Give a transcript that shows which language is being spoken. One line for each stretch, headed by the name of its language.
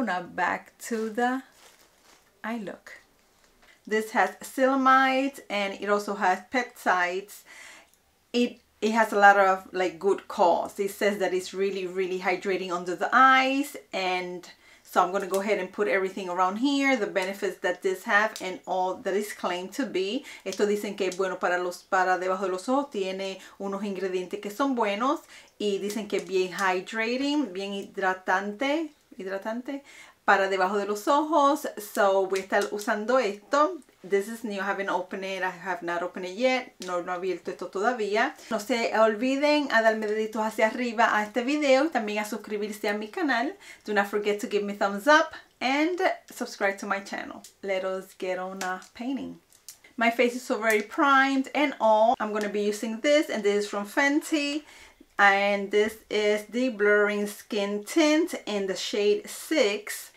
English: Now back to the eye look. This has ceramides and it also has peptides. It has a lot of like good cause. It says that it's really, really hydrating under the eyes, and so I'm gonna go ahead and put everything around here, the benefits that this have and all that is claimed to be.
Spanish: Esto dicen que es bueno para debajo de los ojos, tiene unos ingredientes que son buenos, y dicen que bien hydrating, bien hidratante para debajo de los ojos. So voy a estar usando esto.
English: This is new, I haven't opened it, I have not opened it yet.
Spanish: No he abierto esto todavía. No se olviden a darme deditos hacia arriba a este video y también a suscribirse a mi canal.
English: Do not forget to give me thumbs up and subscribe to my channel. Let us get on a painting. My face is so very primed and all. I'm gonna be using this, and this is from Fenty, and this is the blurring skin tint in the shade 6.